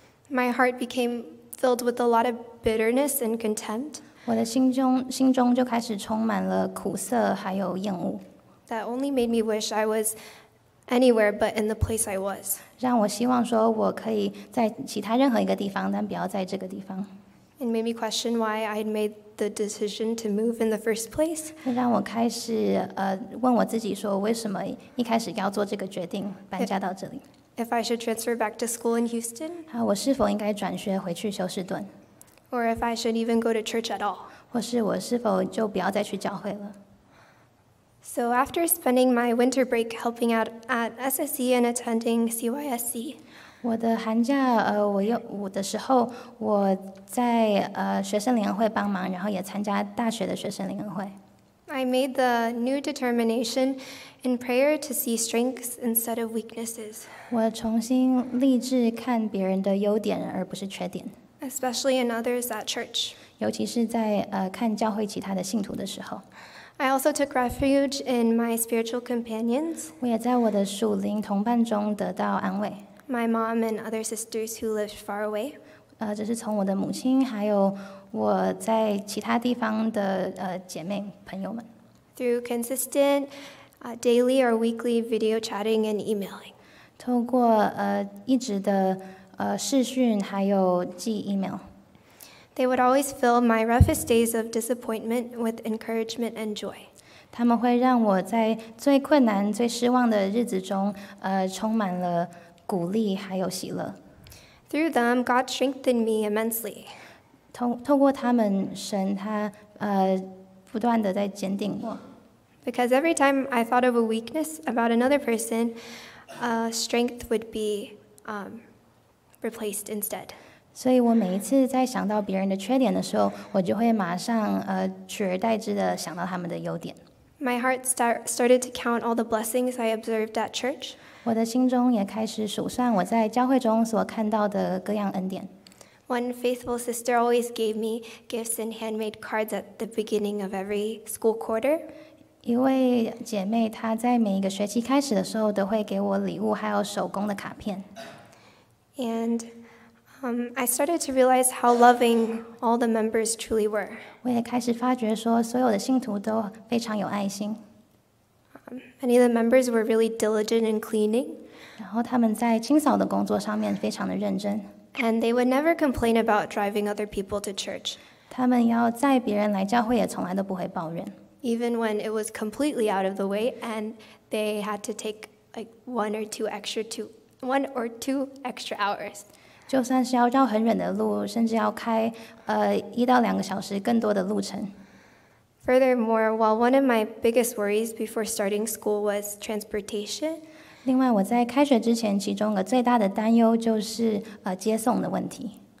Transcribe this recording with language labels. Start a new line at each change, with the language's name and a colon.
English: My heart became filled with a lot of bitterness and contempt.
Chinese: 我的心中就开始充满了苦涩还有厌恶。
English: That only made me wish I was anywhere but in the place I was.
Chinese: 让我希望说我可以在其他任何一个地方，但不要在这个地方。
English: It made me question why I had made the decision to move in the first place.
Chinese: 让我开始问我自己说为什么一开始要做这个决定，搬家到这里。
English: If I should transfer back to school in Houston.
Chinese: 我是否应该转学回去休斯顿
English: ？Or if I should even go to church at all.
Chinese: 或是我是否就不要再去教会了？
English: So after spending my winter break helping out at SSC and attending CYSC,
Chinese: 我的寒假我的时候我在学生联会帮忙，然后也参加大学的学生联会。
English: I made the new determination in prayer to see strengths instead of weaknesses.
Chinese: 我重新立志看别人的优点而不是缺点。
English: Especially in others at church.
Chinese: 尤其是在看教会其他的信徒的时候。
English: I also took refuge in my spiritual companions.
Chinese: 我也在我的属灵同伴中得到安慰。
English: My mom and other sisters who lived far away.
Chinese: 这是从我的母亲还有我在其他地方的姐妹朋友们。
English: Through consistent daily or weekly video chatting and emailing.
Chinese: 透过一直的视讯还有寄 email。
English: They would always fill my roughest days of disappointment with encouragement and joy.
Chinese: 他们会让我在最困难、最失望的日子中，充满了鼓励还有喜乐。
English: Through them, God strengthened me immensely.
Chinese: 透过他们，神他不断的在坚定我。
English: Because every time I thought of a weakness about another person, strength would be replaced instead.
Chinese: 所以我每一次在想到别人的缺点的时候，我就会马上取而代之的想到他们的优点。
English: My heart started to count all the blessings I observed at church.
Chinese: 我的心中也开始数算我在教会中所看到的各样恩典。
English: One faithful sister always gave me gifts and handmade cards at the beginning of every school quarter.
Chinese: 一位姐妹，她在每一个学期开始的时候都会给我礼物，还有手工的卡片。
English: And, I started to realize how loving all the members truly were.
Chinese: 我也开始发觉说，所有的信徒都非常有爱心。
English: Many of the members were really diligent in cleaning.
Chinese: 然后他们在清扫的工作上面非常的认真。
English: And they would never complain about driving other people to church.
Chinese: 他们要载别人来教会也从来都不会抱怨。
English: Even when it was completely out of the way, and they had to take like one or two extra hours.
Chinese: 就算是要绕很远的路，甚至要开一到两个小时更多的路程。
English: Furthermore, while one of my biggest worries before starting school was transportation,
Chinese: 另外我在开学之前，其中一个最大的担忧就是接送的问题。